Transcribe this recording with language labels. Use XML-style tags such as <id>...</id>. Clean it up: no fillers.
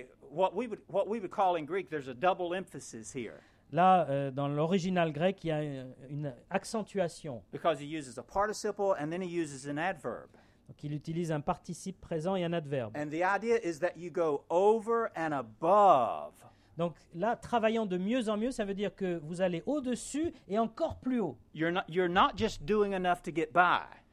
<en>What we would call in Greek, there's a double emphasis here.</en> <fr>Là, dans l'original grec, il y a une accentuation.</fr> <en>Because he uses a participle and then he uses an adverb.</en> <fr>Donc, il utilise un participe présent et un adverbe.</fr> <en>And the idea is that you go over and above.</en> <fr>Donc là, travaillant de mieux en mieux, ça veut dire que vous allez au-dessus et encore plus haut.</fr> <en>You're not just doing enough to get by.</en>